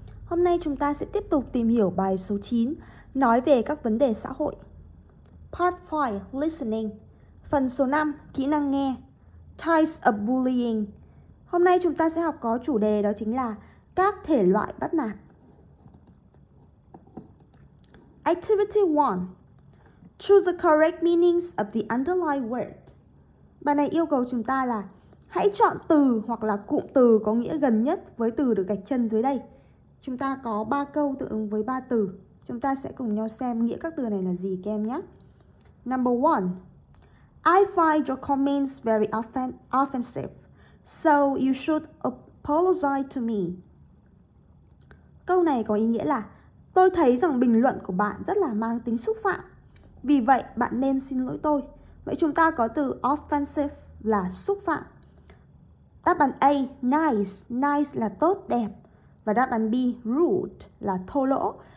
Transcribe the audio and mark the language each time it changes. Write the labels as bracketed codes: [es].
[vi] Hôm nay chúng ta sẽ tiếp tục tìm hiểu bài số 9, nói về các vấn đề xã hội. [en] Part 5, Listening. [vi] Phần số 5, Kỹ năng nghe. [en] Types of Bullying. [vi] Hôm nay chúng ta sẽ học có chủ đề đó chính là các thể loại bắt nạt. [en] Activity 1. Choose the correct meanings of the underlying word. [vi] Bài này yêu cầu chúng ta là hãy chọn từ hoặc là cụm từ có nghĩa gần nhất với từ được gạch chân dưới đây. Chúng ta có 3 câu tương ứng với 3 từ. Chúng ta sẽ cùng nhau xem nghĩa các từ này là gì các em nhé. [en] Number 1. I find your comments very offensive, so you should apologize to me. [vi] Câu này có ý nghĩa là tôi thấy rằng bình luận của bạn rất là mang tính xúc phạm. Vì vậy, bạn nên xin lỗi tôi. Vậy chúng ta có từ offensive là xúc phạm. Đáp án A, nice. Nice là tốt, đẹp. Và đáp án B, rude là thô lỗ.